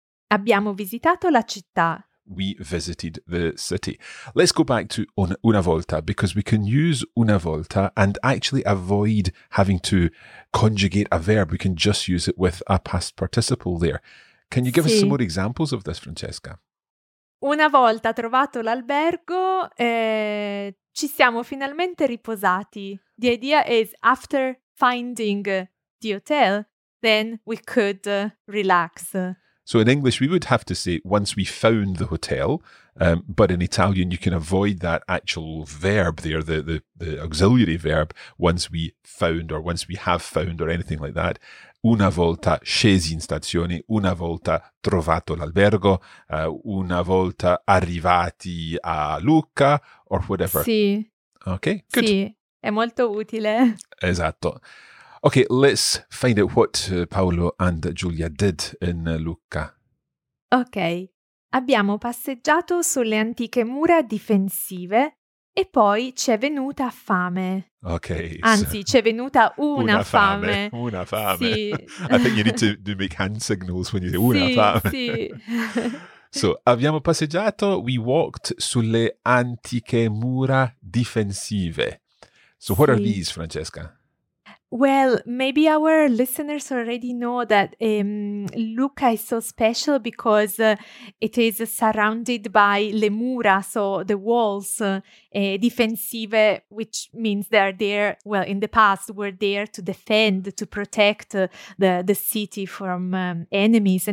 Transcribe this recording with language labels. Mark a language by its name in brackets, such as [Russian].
[Italian] Abbiamo visitato la città. [English] We visited the city. Let's go back to una volta, because we can use una volta and actually avoid having to conjugate a verb. We can just use it with a past participle there. Can you give [Italian] sì. [English] Us some more examples of this, Francesca? [Italian] Una volta trovato l'albergo, ci siamo finalmente riposati. [English] The idea is after finding the hotel, then we could relax. So in English, we would have to say once we found the hotel, but in Italian, you can avoid that actual verb there, the auxiliary verb, once we found or once we have found or anything like that. [Italian] Una volta scesi in stazione, una volta trovato l'albergo, una volta arrivati a Lucca, [English] or whatever. [Italian] Sì. [English] Okay, good. [Italian] Sì, è molto utile. Esatto. [English] Okay, let's find out what Paolo and Giulia did in Lucca. [Italian] Okay, abbiamo passeggiato sulle antiche mura difensive e poi ci è venuta fame. [English] Okay. [Italian] Anzi, ci è venuta una fame. Una fame. Sì. [English] I think you need to make hand signals when you say una fame. [Italian] Sì, sì. [English] So, [Italian] abbiamo passeggiato, [English] we walked [Italian] sulle antiche mura difensive. [English] So, what are these, Francesca? Well, maybe our listeners already know that Lucca is so special because it is surrounded by le mura, so the walls, difensive, which means they are there, well, in the past, were there to defend, to protect the city from enemies.